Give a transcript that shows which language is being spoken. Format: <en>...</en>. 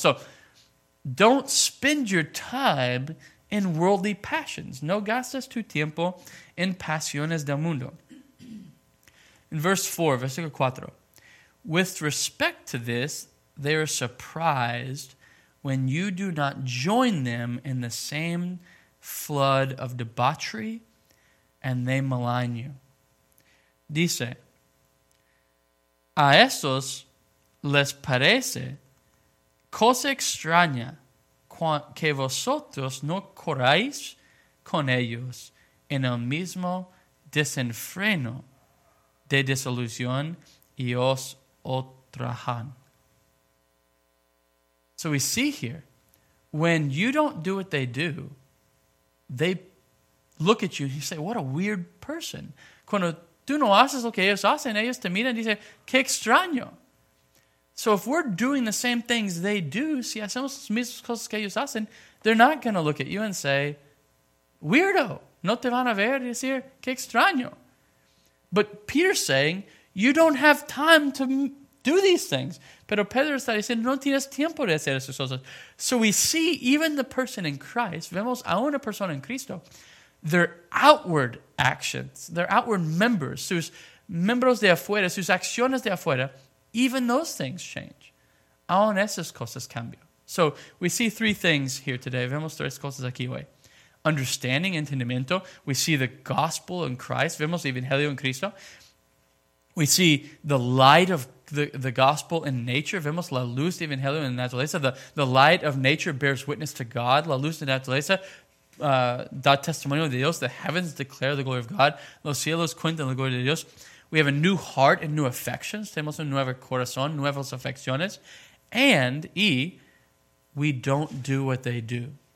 <en>So don't spend your time in worldly passions.</en> <es>No gastes tu tiempo en pasiones del mundo.</es> <en>In verse 4,</en> <es>versículo 4.</es> <en>With respect to this, they are surprised when you do not join them in the same flood of debauchery and they malign you.</en> <es>Dice, a estos les parece cosa extraña que vosotros no corráis con ellos en el mismo desenfreno de desilusión y os ultrajan.</es> <en>So we see here, when you don't do what they do, they look at you and you say, what a weird person.</en> <es>Cuando tú no haces lo que ellos hacen, ellos te miran y dicen, qué extraño.</es> <en>So if we're doing the same things they do,</en> <es>si hacemos las mismas cosas que ellos hacen,</es> <en>they're not going to look at you and say, weirdo,</en> <es>no te van a ver y decir, qué extraño.</es> <en>But Peter's saying, you don't have time to do these things.</en> <es>Pero Pedro está diciendo, no tienes tiempo de hacer esas cosas.</es> <en>So we see even the person in Christ,</en> <es>vemos a una persona en Cristo,</es> <en>their outward actions, their outward members,</en> <es>sus miembros de afuera,</es> <en>sus acciones de afuera, even those things change.</en> <es>Aún esas cosas cambian.</es> <en>So we see three things here today.</en> <es>Vemos tres cosas aquí hoy. Understanding, entendimiento.</es> <en>We see the gospel in Christ.</en> <es>Vemos el evangelio en Cristo.</es> <en>We see the light of the gospel in nature.</en> <es>Vemos la luz de evangelio en la naturaleza.</es> <en>The light of nature bears witness to God.</en> <es>La luz de naturaleza da testimonio de Dios.</es> <en>The heavens declare the glory of God.</en> <es>Los cielos cuentan la gloria de Dios.</es> <en>We have a new heart and new affections.</en> <es>Tenemos un nuevo corazón, nuevas afecciones.</es> <en>And we don't do what they do.</en>